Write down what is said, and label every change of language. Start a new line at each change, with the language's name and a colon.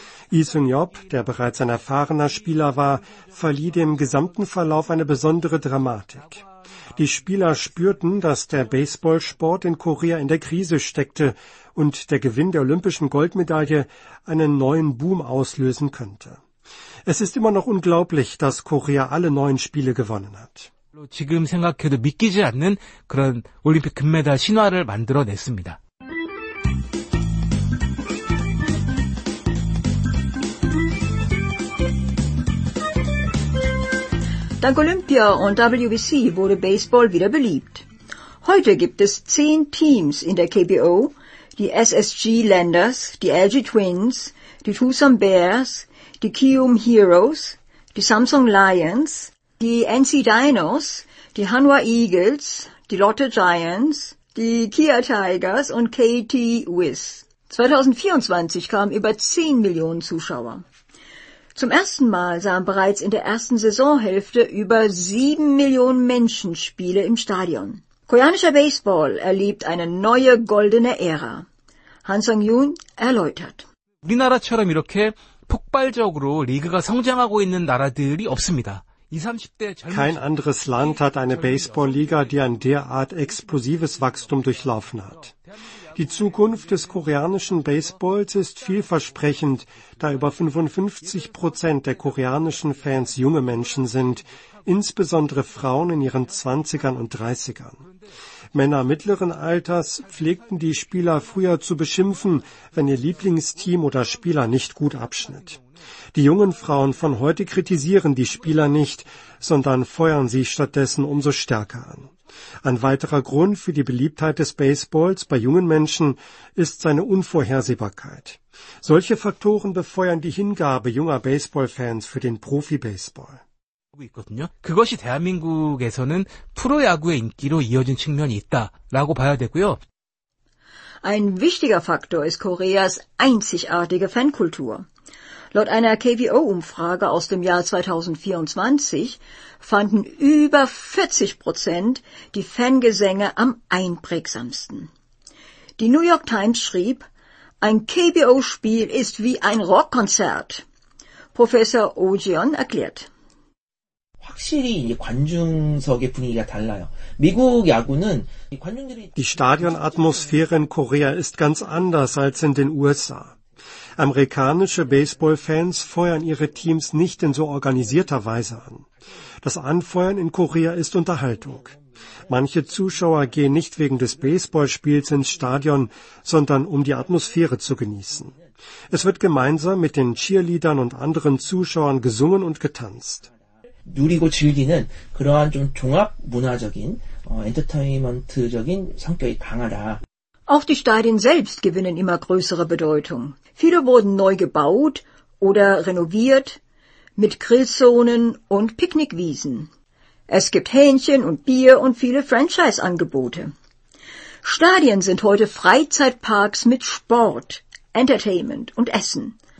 German: Lee Sun-yeop, der bereits ein erfahrener Spieler war, verlieh dem gesamten Verlauf eine besondere Dramatik. Die Spieler spürten, dass der Baseballsport in Korea in der Krise steckte und der Gewinn der olympischen Goldmedaille einen neuen Boom auslösen könnte. Es ist immer noch unglaublich, dass Korea alle 9 Spiele gewonnen hat.
Korean: 지금 생각해도 믿기지 않는 그런 올림픽 금메달 신화를 만들어냈습니다.
German: Dank Olympia und WBC wurde Baseball wieder beliebt. Heute gibt es 10 Teams in der KBO, die SSG Lenders, die LG Twins, die Tucson Bears, die Kium Heroes, die Samsung Lions, die NC Dinos, die Hanwha Eagles, die Lotte Giants, die Kia Tigers und KT Wiz. 2024 kamen über 10 Millionen Zuschauer. Zum ersten Mal sahen bereits in der ersten Saisonhälfte über 7 Millionen Menschen Spiele im Stadion. Koreanischer Baseball erlebt eine neue goldene Ära. Han Sung-yoon erläutert.
Korean: 우리나라처럼 이렇게 폭발적으로 리그가 성장하고 있는 나라들이 없습니다.
German: Kein anderes Land hat eine Baseball-Liga, die ein derart explosives Wachstum durchlaufen hat. Die Zukunft des koreanischen Baseballs ist vielversprechend, da über 55% der koreanischen Fans junge Menschen sind, insbesondere Frauen in ihren 20ern und 30ern. Männer mittleren Alters pflegten die Spieler früher zu beschimpfen, wenn ihr Lieblingsteam oder Spieler nicht gut abschnitt. Die jungen Frauen von heute kritisieren die Spieler nicht, sondern feuern sie stattdessen umso stärker an. Ein weiterer Grund für die Beliebtheit des Baseballs bei jungen Menschen ist seine Unvorhersehbarkeit. Solche Faktoren befeuern die Hingabe junger Baseballfans für den Profi-Baseball.
Korean: 있거든요. 그것이 대한민국에서는 프로야구의 인기로 이어진 측면이 있다라고 봐야 되고요.
German: Ein wichtiger Faktor ist Koreas einzigartige Fankultur. Laut einer KBO-Umfrage aus dem Jahr 2024 fanden über 40% die Fangesänge am einprägsamsten. Die New York Times schrieb, ein KBO-Spiel ist wie ein Rockkonzert. Professor Ojeon erklärt.
Korean: 확실히 이제 관중석의 분위기가 달라요. 미국 야구는 관중들이
German: Die Stadionatmosphäre in Korea ist ganz anders als in den USA. Amerikanische Baseballfans feuern ihre Teams nicht in so organisierter Weise an. Das Anfeuern in Korea ist Unterhaltung. Manche Zuschauer gehen nicht wegen des Baseballspiels ins Stadion, sondern um die Atmosphäre zu genießen. Es wird gemeinsam mit den Cheerleadern und anderen Zuschauern gesungen und getanzt.
Korean: 누리고 즐기는 그러한 좀 종합 문화적인 엔터테인먼트적인 성격이 강하다.
German: Auch die Stadien selbst gewinnen immer größere Bedeutung. Viele wurden neu gebaut oder renoviert mit Grillzonen und Picknickwiesen. Es gibt Hähnchen und Bier und viele Franchise-Angebote. Stadien sind heute Freizeitparks mit Sport, Entertainment und Essen.